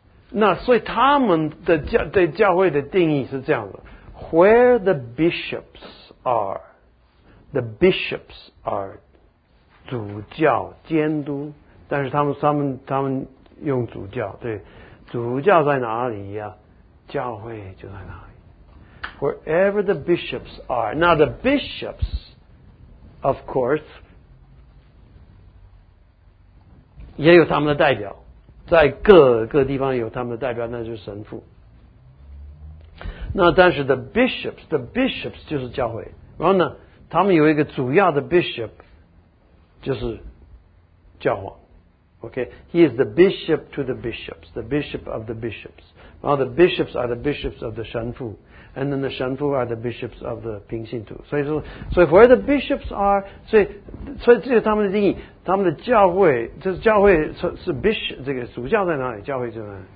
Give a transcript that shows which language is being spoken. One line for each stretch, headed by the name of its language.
Chinese: 那所以他们的教对教会的定义是这样的 ：
English: Where the bishops are, the bishops are
Chinese: 主教监督，但是他们用主教，对，主教在哪里呀、教会就在哪里。
English: Wherever the bishops are, now the bishops, of course,
Chinese: 也有他们的代表。在各地方有他们的代表，那就是神父。那但是 the bishops 就是教会，然后呢他们有一个主要的 bishop 就是教皇。
English: OK he is the bishop to the bishops, the bishop of the bishops,
Chinese: 然后
English: the bishops are the bishops of the 神父， and then the 神父 are the bishops of the 平信徒。
Chinese: 所以
English: where the bishops are,
Chinese: 所以这是他们的定义，他们的教会就是教会是 bishop， 这个主教在哪里，教会就在哪里。